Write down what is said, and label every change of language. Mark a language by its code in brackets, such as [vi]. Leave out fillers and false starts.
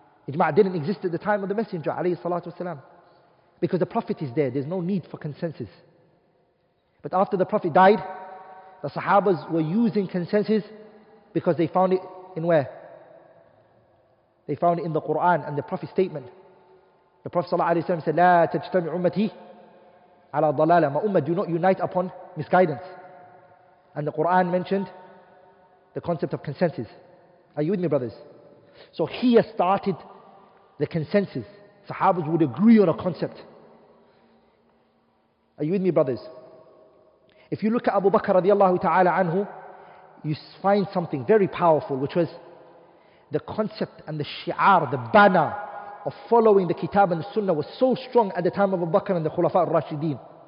[en] Ijma' didn't exist at the time of the Messenger, alayhi salatu wasalam, because the Prophet is there, there's no need for consensus. But after the Prophet died, the Sahabas were using consensus because they found it in where? They found it in the Qur'an and the Prophet's statement. The Prophet ﷺ said, [ar] لا تجتمع أمتي على ضلالة. [en] My ummah do not unite upon misguidance. And the Qur'an mentioned the concept of consensus. Are you with me, brothers? So here started the consensus. Sahabas would agree on a concept. Are you with me, brothers? If you look at Abu Bakr radiallahu ta'ala anhu, you find something very powerful, which was the concept and the shi'ar, the banner of following the kitab and the sunnah was so strong at the time of Abu Bakr and the Khulafa al-Rashideen.